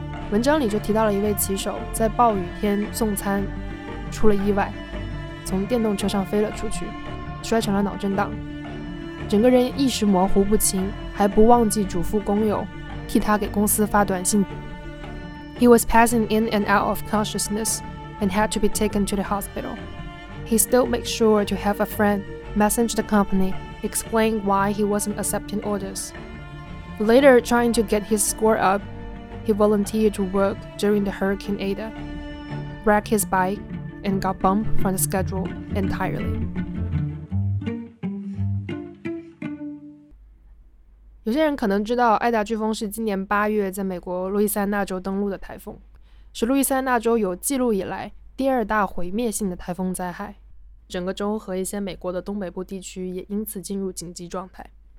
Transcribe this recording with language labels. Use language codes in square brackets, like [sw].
[zh] 文章里就提到了一位骑手在暴雨天送餐出了意外，从电动车上飞了出去，摔成了脑震荡，整个人意识模糊不清，还不忘记嘱咐工友替他给公司发短信。 [en] He was passing in and out of consciousness and had to be taken to the hospital. He still made sure to have a friend message the company, explain why he wasn't accepting orders. Later, trying to get his score up, he volunteered to work during the Hurricane Ida, wrecked his bike, and got bumped from the schedule entirely. [zh] 有些人可能知道艾达飓风是今年八月在美国路易斯安那州登陆的台风，是路易斯安那州有记录以来第二大毁灭性的台风灾害，整个州和一些美国的东北部地区也因此进入紧急状态。